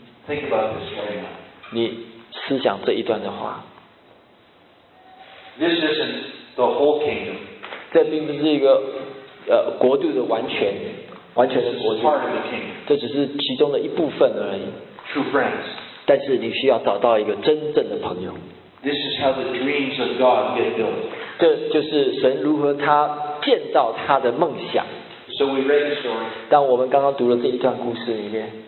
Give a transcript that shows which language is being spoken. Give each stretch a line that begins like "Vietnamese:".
English: Think about this right now.
Chinese: 你思想这一段的话。
English: This isn't the whole kingdom.
Chinese: 这并不是一个国度的完全的国度。
English: This is part of the kingdom.
Chinese: 这只是其中的一部分而已。
English: True friends.
Chinese: 但是你需要找到一个真正的朋友。
English: This is how the dreams of God get built.
Chinese: 这就是神如何他建造他的梦想。
English: So we read the story.
Chinese: 但我们刚刚读了这一段故事里面。